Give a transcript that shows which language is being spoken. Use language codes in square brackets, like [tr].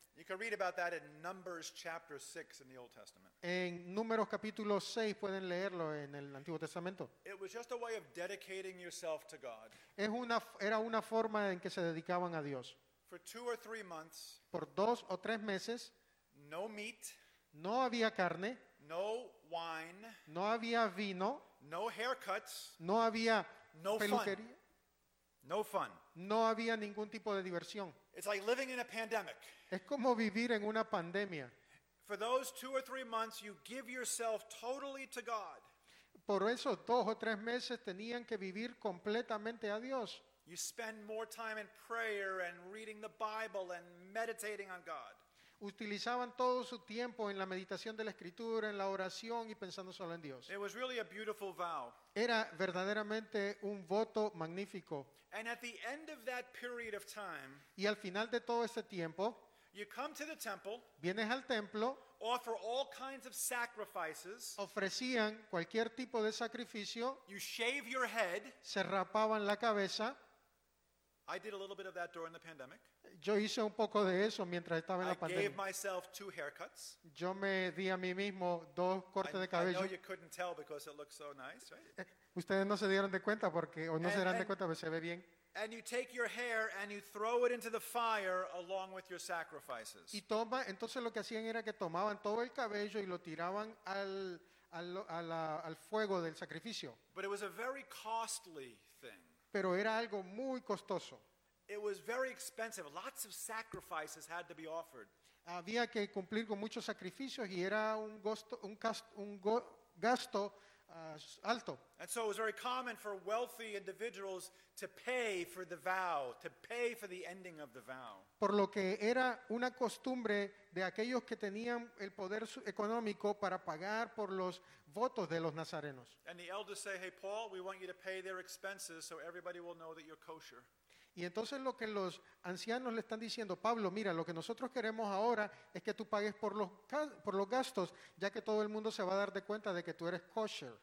[en] You can read about that in Numbers chapter 6 in the Old Testament. [es] En Números capítulo 6 pueden leerlo en el Antiguo Testamento. [en] It was just a way of dedicating yourself to God. [es] Era una forma en que se dedicaban a Dios. [en] For 2 or 3 months. [es] Por 2 o 3 meses. [en] No meat. [es] No había carne. [en] No wine. [es] No había vino. [en] No haircuts. [es] No había peluquería. [en] No fun. [es] No había ningún tipo de diversión. [en] It's like living in a pandemic. [es] Es como vivir en una pandemia. [en] For those 2 or 3 months, you give yourself totally to God. [es] Por esos 2 o 3 meses tenían que vivir completamente a Dios. [en] You spend more time in prayer and reading the Bible and meditating on God. [es] Utilizaban todo su tiempo en la meditación de la Escritura, en la oración y pensando solo en Dios. [en] It was really a beautiful vow. [es] Era verdaderamente un voto magnífico. [en] And at the end of that period of time, [es] y al final de todo ese tiempo, [en] you come to the temple, [es] vienes al templo, [en] offer all kinds of sacrifices, [es] ofrecían cualquier tipo de sacrificio, [en] you shave your head, [es] se rapaban la cabeza. [en] I did a little bit of that during the pandemic. [es] Yo hice un poco de eso mientras estaba en la pandemia. [en] I gave myself 2 haircuts. [es] Yo me di a mí mismo 2 cortes de cabello. [en] I know you couldn't tell because it looks so nice, right? [es] Ustedes no se dieron de cuenta porque no se dieron de cuenta, pero se ve bien. [en] And you take your hair and you throw it into the fire along with your sacrifices. [es] Y toma, entonces lo que hacían era que tomaban todo el cabello y lo tiraban al fuego del sacrificio. [en] But it was a very costly thing. [es] Pero era algo muy costoso. [en] It was very expensive. Lots of sacrifices had to be offered. [es] Había que cumplir con muchos sacrificios y era un gasto alto. [en] And so it was very common for wealthy individuals to pay for the vow, to pay for the ending of the vow. [es] Por lo que era una costumbre de aquellos que tenían el poder económico para pagar por los votos de los nazarenos. [en] And the elders say, hey, Paul, we want you to pay their expenses so everybody will know that you're kosher. [es] Y entonces lo que los ancianos le están diciendo, Pablo, mira, lo que nosotros queremos ahora es que tú pagues por los gastos, ya que todo el mundo se va a dar de cuenta de que tú eres kosher.